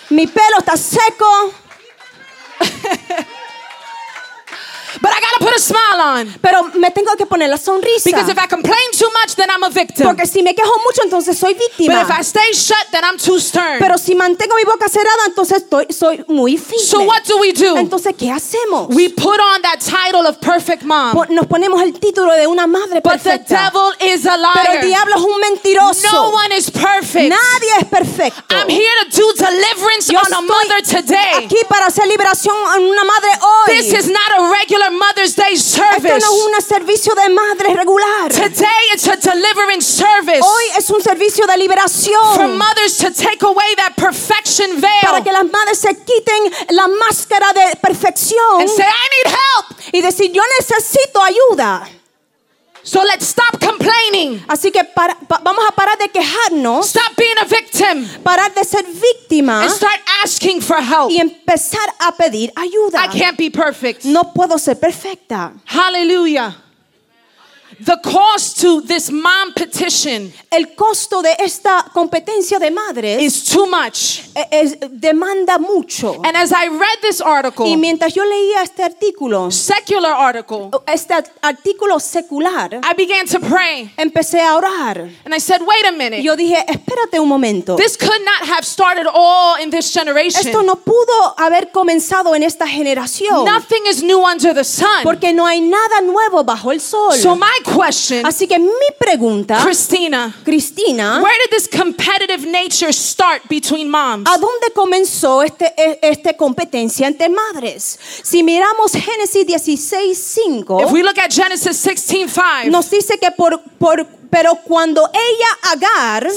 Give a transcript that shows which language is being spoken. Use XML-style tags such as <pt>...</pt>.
<es>Mi pelo está seco.</es> <en>But I gotta put a smile on.</en> <es>Pero me tengo que poner la sonrisa.</es> <en>Because if I complain too much, then I'm a victim.</en> <es>Porque si me quejo mucho, entonces soy víctima.</es> <en>But if I stay shut, then I'm too stern.</en> <es>Pero si mantengo mi boca cerrada, entonces soy muy firme.</es> <en>So what do we do?</en> <es>Entonces, ¿qué hacemos?</es> <en>We put on that title of perfect mom.</en> <es>Nos ponemos el título de una madre perfecta.</es> <en>But the devil is a liar.</en> <es>Pero el diablo es un mentiroso.</es> <en>No one is perfect.</en> <es>Nadie es perfecto.</es> <en>I'm here to do deliverance on a mother today.</en> <es>Aquí para hacer liberación a una madre hoy.</es> <en>This is not a regular Mother's Day service.</en> <es>Esto no es un servicio de madre regular.</es> <en>Today it's a deliverance service.</en> <es>Hoy es un servicio de liberación.</es> <en>For mothers to take away that perfection veil.</en> <es>Para que las madres se quiten la máscara de perfección.</es> <en>And say, I need help.</en> <es>Y decir, yo necesito ayuda.</es> <en>So let's stop complaining.</en> <es>Así que vamos a parar de quejarnos.</es> <en>Stop being a victim.</en> <es>Parar de ser víctima.</es> <en>And start asking for help.</en> <es>Y empezar a pedir ayuda.</es> <en>I can't be perfect.</en> <es>No puedo ser perfecta.</es> <en>Hallelujah. The cost to this mom petition.</en> <es>El costo de esta competencia de madres</es> <en>is too much.</en> <es>Demanda mucho.</es> <en>And as I read this article,</en> <es>y mientras yo leía este artículo,</es> <en>secular article,</en> <es>este artículo secular,</es> <en>I began to pray.</en> <es>Empecé a orar.</es> <en>And I said, wait a minute.</en> <es>Yo dije, espérate un momento.</es> <en>This could not have started all in this generation.</en> <es>Esto no pudo haber comenzado en esta generación.</es> <en>Nothing is new under the sun.</en> <es>Porque no hay nada nuevo bajo el sol.</es> <en>So my question,</en> <es>así que mi pregunta,</es> <en>Cristina, where did this competitive nature start between moms?</en> <es>¿A dónde comenzó esta competencia entre madres? Si miramos Génesis 16:5,</es> <en>if we look at Genesis 16:5,</en> <es>nos dice que pero cuando ella Agar,</es>